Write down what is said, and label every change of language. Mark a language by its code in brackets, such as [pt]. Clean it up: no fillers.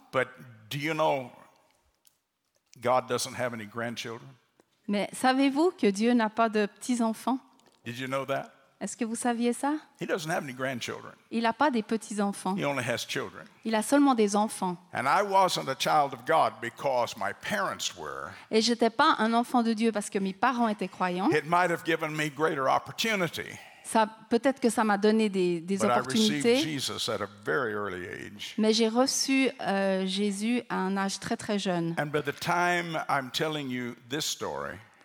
[en] But do you know God doesn't have any grandchildren? [fr] Mais savez-vous que Dieu n'a pas de petits-enfants? [en] Did you know that? [fr] Est-ce que vous saviez ça? [en] He doesn't have any grandchildren. [fr] Il n'a pas des petits-enfants. [en] He only has children. [fr] Il a seulement des enfants. [en] And I wasn't a child of God because my parents were. [fr] Et je n'étais pas un enfant de Dieu parce que mes parents étaient croyants. [en] It might have given me greater opportunity. [fr] Ça, peut-être que ça m'a donné des [en] But [fr] opportunités. [en] I received Jesus at a very early age. [fr] Mais j'ai reçu Jésus à un âge très très jeune. [en] And by the time I'm telling you this story,